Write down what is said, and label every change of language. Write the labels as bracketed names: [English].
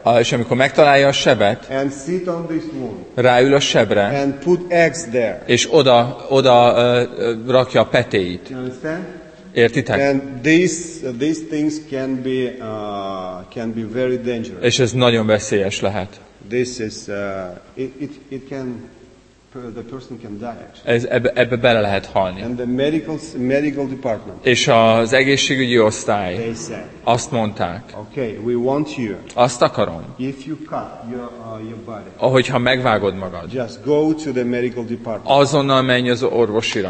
[Hungarian] És amikor megtalálja a sebet. [English] And sit on this wound. [Hungarian] Ráül a sebre. [English] And put eggs there. [Hungarian] És oda rakja a petéit. [English] You understand? [Hungarian] Értitek? [English] And these things can be very dangerous. [Hungarian] És ez nagyon veszélyes lehet. [English] This is it can the person can die. [Hungarian] Ez ebbe bele lehet halni. [English] And the medical department. [Hungarian] És az egészségügyi osztály. [English] They said. [Hungarian] Azt mondták. [English] Okay, we want you. [Hungarian] Azt akarom. [English] If you cut your body. [Hungarian] Ahogyha megvágod magad. [English] Just go to the medical department. [Hungarian] Azonnal menj az orvosira.